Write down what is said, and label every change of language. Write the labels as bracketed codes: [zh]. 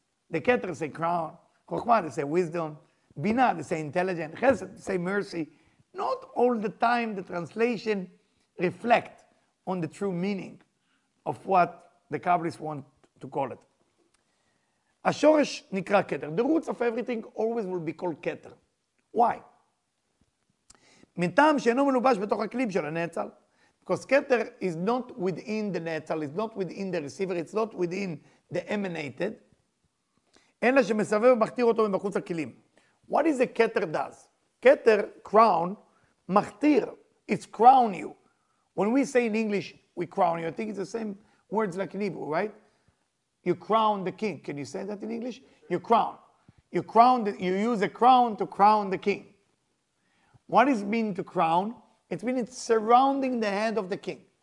[en] The Keter say crown, Chochma they say wisdom, Bina they say intelligent, Chesed they say mercy. Not all the time the translation reflect on the true meaning of what the Kabbalists want to call it. [he] השורש נקרא קטר. [en] The roots of everything always will be called קטר. Why? [he] מטעם שאינו מלובש בתוך הכלים של הנאצל. [en] Because קטר is not within the נאצל, it's not within the receiver, it's not within the emanated. [he] אלא שמסבב ומכתיר אותו מבחוץ הכלים. [en] What is the קטר does? [he] קטר, crown, מכתיר. [en] It's crown you. When we say in English, we crown you, I think it's the same words like in Hebrew, right? You crown the king. Can you say that in English? You crown. You crown. You use a crown to crown the king. What does it mean to crown? It means it's surrounding the head of the king.